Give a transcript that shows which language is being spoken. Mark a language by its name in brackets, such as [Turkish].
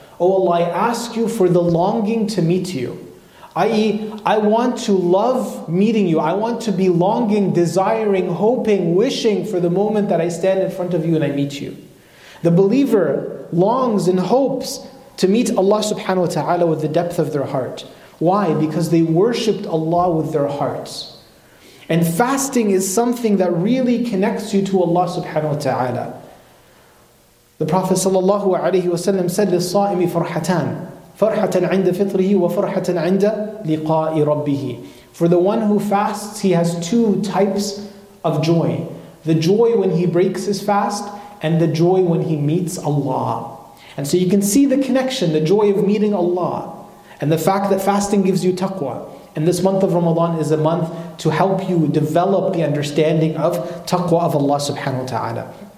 [English] Oh Allah, I ask you for the longing to meet you. I.e., I want to love meeting you. I want to be longing, desiring, hoping, wishing for the moment that I stand in front of you and I meet you. The believer longs and hopes to meet Allah subhanahu wa ta'ala with the depth of their heart. Why? Because they worshipped Allah with their hearts. And fasting is something that really connects you to Allah subhanahu wa ta'ala. [Arabic] The Prophet sallallahu alayhi wa sallam said, لِلصَّائِمِ فَرْحَتَانِ فَرْحَةً عِنْدَ فِطْرِهِ وَفَرْحَةً عِنْدَ لِقَاءِ رَبِّهِ. [English] For the one who fasts, he has two types of joy. The joy when he breaks his fast, and the joy when he meets Allah. And so you can see the connection, the joy of meeting Allah, and the fact that fasting gives you taqwa. And this month of Ramadan is a month to help you develop the understanding of taqwa of Allah subhanahu wa ta'ala.